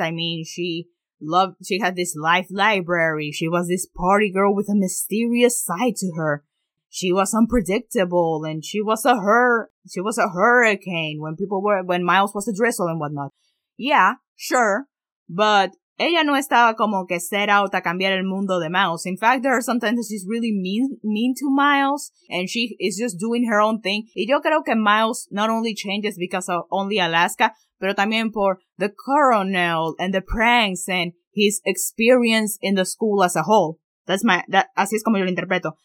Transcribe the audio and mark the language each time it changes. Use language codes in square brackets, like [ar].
[en] I mean, she had this life library. She was this party girl with a mysterious side to her. She was unpredictable and she was a hurricane when Miles was a drizzle and whatnot. Yeah, sure. But [es] ella no estaba como que [en] set out [es] a cambiar el mundo de Miles. [en] In fact, there are sometimes she's really mean to Miles, and she is just doing her own thing. [es] Y yo creo que [en] Miles not only changes because of only Alaska, [es] pero también por [en] the Coronel and the pranks and his experience in the school as a whole. [es] Así es como yo lo interpreto.